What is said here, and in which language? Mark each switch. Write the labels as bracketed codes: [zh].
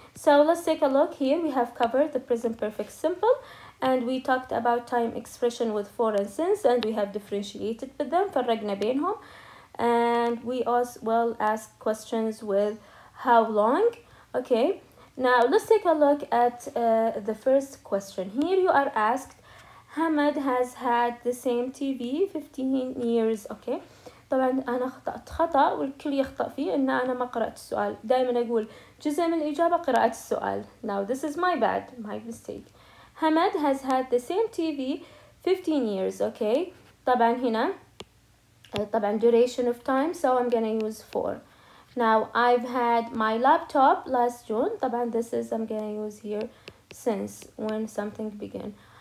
[en] So let's take a look here. We have covered the present perfect simple, and we talked about time expression with for and since, and we have differentiated with them, [ar] farragna bainhum. [en] And we also will ask questions with how long, okay? Now let's take a look at the first question. Here you are asked, Hamad has had the same TV 15 years, okay? [ar] طبعا انا اخطات خطا والكل يخطا فيه ان انا ما قرات السؤال دائما اقول جزء من الاجابه قراءه السؤال. [en] Now this is my bad, my mistake. Hamad has had the same TV 15 years, okay? [ar] طبعا هنا طبعا [en] duration of time, so I'm going to use 4. Now I've had my laptop last June. طبعا this is I'm going to use here since when something began.